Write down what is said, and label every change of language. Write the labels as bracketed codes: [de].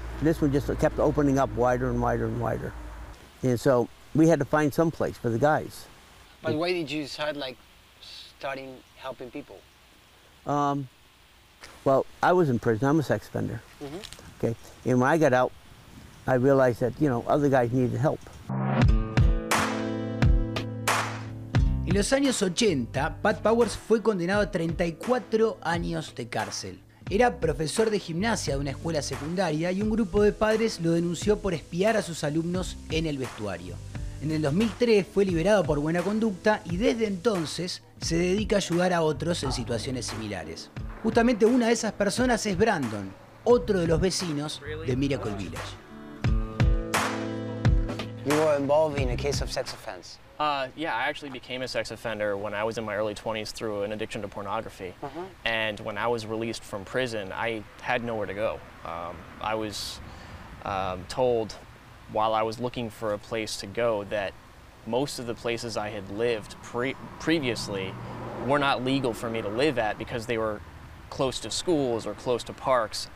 [en] This one just kept opening up wider and wider and wider. And so we had to find some place for the guys. But why did you start like starting helping people? Well, I was in prison. I'm a sex offender. Mm-hmm. Okay. And when I got out, I realized that, you know, other guys needed help. [es] En los años 80, Pat Powers fue condenado a 34 años de cárcel. Era profesor de gimnasia de una escuela secundaria y un grupo de padres lo denunció por espiar a sus alumnos en el vestuario. En el 2003 fue liberado por buena conducta y desde entonces se dedica a ayudar a otros en situaciones similares. Justamente una de esas personas es Brandon, otro de los vecinos de Miracle Village. [en] You were involved in a case of sex offense. Yeah, I actually became a sex offender when I was in my early 20s through an addiction to pornography. Uh-huh. And when I was released from prison, I had nowhere to go. I was told while I was looking for a place to go that most of the places I had lived previously were not legal for me to live at because they were close to schools or close to parks.